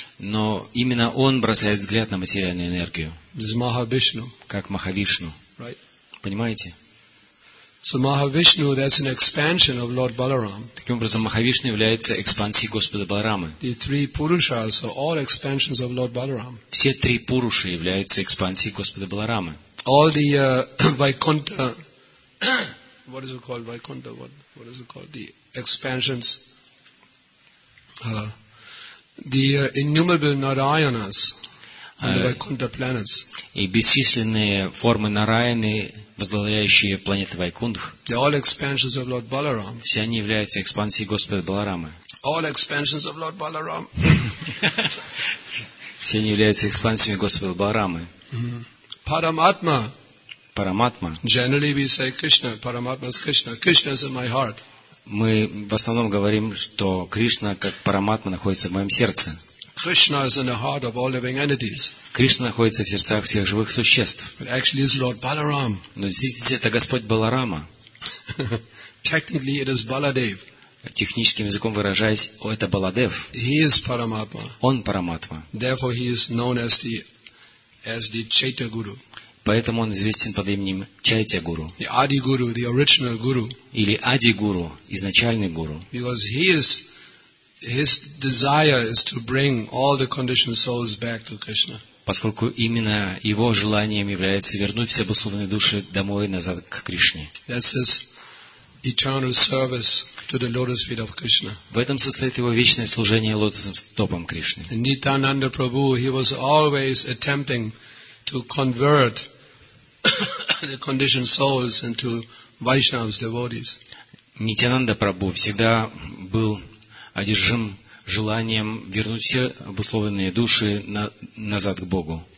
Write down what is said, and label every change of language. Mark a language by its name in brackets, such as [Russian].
[Russian] Но именно он бросает взгляд на материальную энергию. Как Махавишну. [English] Right. [Russian] Понимаете? [English] So Mahavishnu, that's an expansion of Lord Balaram. [Russian] Таким образом, Махавишна является экспансией Господа Баларамы. [English] The three Purushas are all expansions of Lord Balaram. [Russian] Все три Пуруши являются экспансией Господа Баларамы. [English] All the Vaikuntha, what is it called, Vaikuntha, what is it called, the expansions, the innumerable Narayanas, and the Vaikuntha planets. [Russian] И бесчисленные формы Нараяны, возглавляющие планеты Вайкундх. [English] They all expansions of Lord Balaram. [Russian] Все они являются экспансией Господа Баларамы. [English] All expansions of Lord Balaram. [Russian] Все они являются экспансиями Господа Баларамы. Параматма. Параматма. [English] Generally we say Krishna, Параматма is Krishna. Krishna is in my heart. [Russian] Мы в основном говорим, что Кришна как Параматма находится в моем сердце. [English] Krishna is in the heart of all living entities. [Russian] Кришна находится в сердцах всех живых существ. [English] But actually, it's Lord Balaram. [Russian] Но здесь это Господь Баларама. [English] Technically, it is Baladev. [Russian] Техническим языком выражаясь, о, это Баладев. [English] He is Paramatma. [Russian] Он Параматма. [English] Therefore, he is known as the Chaitya Guru. [Russian] Поэтому он известен под именем Чайтя Гуру. [English] The Adi Guru, the original Guru. [Russian] Или Ади Гуру, изначальный Гуру. [English] Because he is His desire is to bring all the conditioned souls back to Krishna. [Russian] Поскольку именно его желанием является вернуть все обусловленные души домой назад к Кришне. [English] That's his eternal service to the lotus feet of Krishna. [Russian] В этом состоит его вечное служение лотосным стопам Кришны. [English] Nityananda Prabhu, he was always attempting to convert the conditioned souls into Vaishnavas devotees. [Russian] Nityananda Prabhu всегда был одержим желанием вернуть все обусловленные души назад к Богу.